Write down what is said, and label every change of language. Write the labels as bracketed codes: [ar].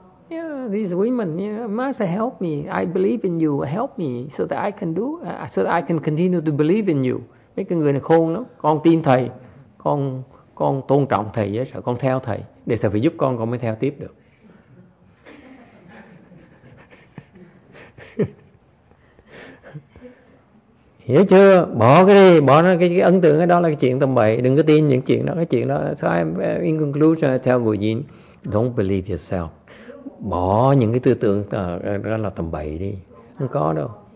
[en] Yeah, these women, you know, Master, help me. I believe in you. Help me so that I can do, so that I can continue to believe in you. [vi] Mấy cái người này khôn lắm. Con tin thầy, con tôn trọng thầy, sợ con theo thầy. Để thầy phải giúp con mới theo tiếp được. Hiểu chưa? Bỏ cái đi, bỏ nó cái ấn tượng cái đó là cái chuyện tầm bậy. Đừng có tin những chuyện đó, cái chuyện đó. [en] So I'm in conclusion, I tell Guruji, don't believe yourself. [vi] Bỏ những cái tư tưởng đó là tầm bậy đi. Không có đâu.